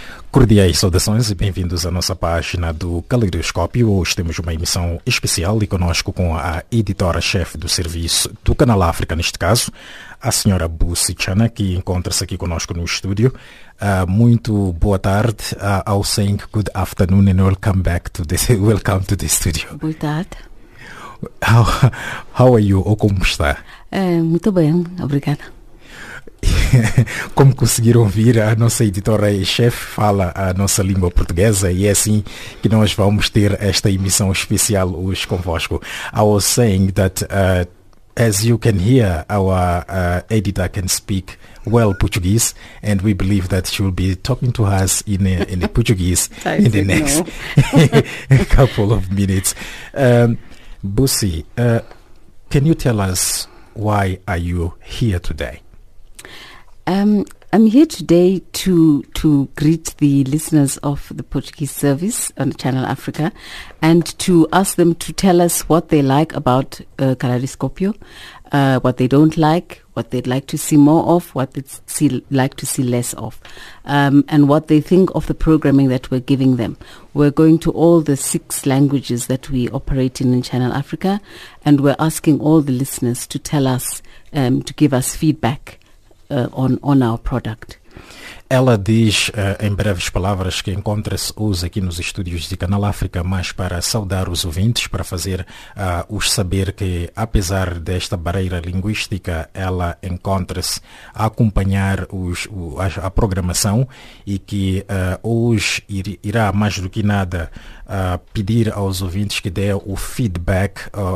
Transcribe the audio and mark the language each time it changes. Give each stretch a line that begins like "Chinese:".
Portuguese: Cordiais saudações e bem-vindos à nossa página do Caleidoscópio. Hoje temos uma emissão especial e conosco com a editora-chefe do serviço do Canal África, neste caso, a senhora Busi Chana, que encontra-se aqui conosco no estúdio. Muito boa tarde.
English: I'll say good afternoon and welcome back to this. Welcome to the studio.
Portuguese: Boa tarde.
English: How are you?
Portuguese: Ou como está? Muito bem. Obrigada. Como conseguiram ouvir, a nossa editora e chefe fala a nossa língua portuguesa e é assim que nós vamos ter esta emissão especial hoje convosco.
English: I was saying that as you can hear, our editor can speak well Portuguese, and we believe that she will be talking to us in Portuguese in the next couple of minutes. Busi, can you tell us why are you here today? I'm here today to greet the listeners of the Portuguese service on Channel Africa and to ask them to tell us what they like about Caleidoscópio, what they don't like, what they'd like to see more of, what they'd like to see less of, and what they think of the programming that we're giving them. We're going to all the six languages that we operate in Channel Africa, and we're asking all the listeners to tell us, to give us feedback on our product.
Portuguese: Ela diz, em breves palavras, que encontra-se hoje aqui nos estúdios de Canal África, mas para saudar os ouvintes, para fazer-os saber que, apesar desta barreira linguística, ela encontra-se a acompanhar a programação e que hoje irá, mais do que nada, pedir aos ouvintes que dê o feedback